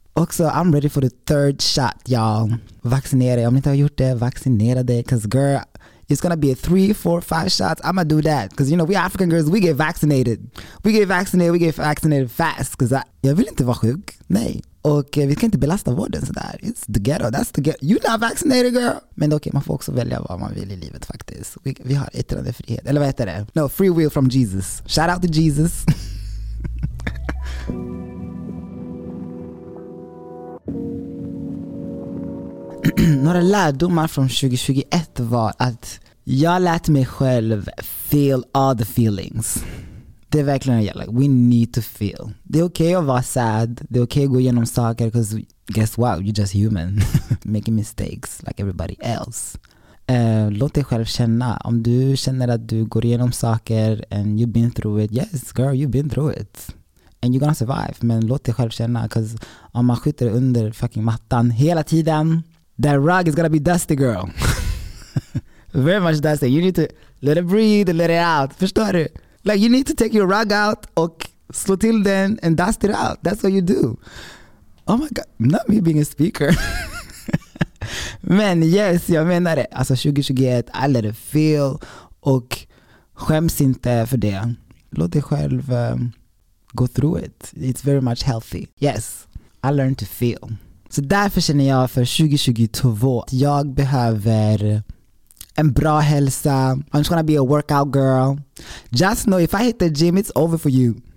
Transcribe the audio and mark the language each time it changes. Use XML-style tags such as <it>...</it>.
<sv>Också,</sv> <en>I'm ready for the third shot, y'all.</en> <sv>Vaccinera dig. Om ni inte har gjort det, vaccinera dig.</sv> <en>Because girl, it's gonna be a 3, 4, 5 shots. I'ma do that. Because you know, we African girls, we get vaccinated. We get vaccinated fast. Because</en> <sv>jag vill inte vara sjuk. Nej. Och vi ska inte belasta vården sådär.</sv> <en>It's the ghetto. That's the ghetto. You're not vaccinated, girl.</en> <sv>Men okej, man får också välja vad man vill i livet faktiskt. Vi har yttrandefrihet. Eller vad heter det?</sv> <en>No, free will from Jesus. Shout out to Jesus.</en> <sv>Några lärdomar från 2021 var att jag lät mig själv</sv> <en>feel all the feelings.</en> <sv>Det är verkligen jag,</sv> <en>like, we need to feel.</en> <sv>Det är okej att vara sad, det är okej att gå igenom saker,</sv> <en>because guess what, you're just human. Making mistakes like everybody else.</en> <sv>Låt dig själv känna. Om du känner att du går igenom saker</sv> <en>and you've been through it, yes girl, you've been through it. And you're gonna survive.</en> <sv>Men låt dig själv känna, because om man skjuter under fucking mattan hela tiden,</sv> <en>that rug is gonna be dusty, girl. Very much dusty. You need to let it breathe and let it out.</en> <sv>Förstår du?</sv> <en>Like, you need to take your rug out</en> <sv>och slå till den</sv> <en>and dust it out. That's what you do. Oh my God, not me being a speaker.</en> <sv>Men yes, jag menar det. Alltså 2021,</sv> <en>I let it feel.</en> <sv>Och skäms inte för det. Låt dig själv</sv> <en>go through it. It's very much healthy. Yes, I learned to feel.</en> <sv>Så därför känner jag för 2022 att jag behöver en bra hälsa.</sv> <en>I'm just gonna be a workout girl. Just know if I hit the gym, it's over for you.</en>